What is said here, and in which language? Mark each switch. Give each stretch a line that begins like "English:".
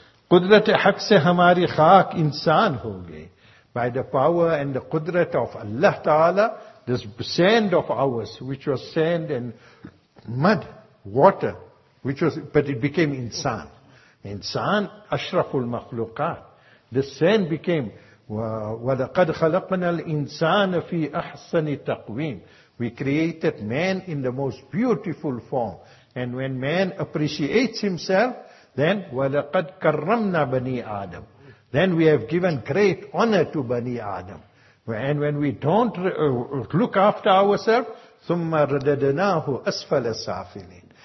Urdu: Qudrat-e haq se hamari khaak insaan ho gaye.
English: By the power and the qudrat of Allah Ta'ala, this sand of ours, which was sand and mud, water, but it became insaan.
Urdu: Insaan, ashraful makhlukat.
English: The sand became,
Arabic: وَلَقَدْ خَلَقْنَا الْإِنسَانَ فِي أَحْسَنِ تَقْوِيمِ.
English: We created man in the most beautiful form. And when man appreciates himself, then
Arabic: وَلَقَدْ كَرَّمْنَا بَنِي آدَمَ.
English: Then we have given great honor to Bani Adam. And when we don't look after ourselves,
Arabic: ثُمَّ رَدَدَنَاهُ أَسْفَلَ السَّافِلِينَ.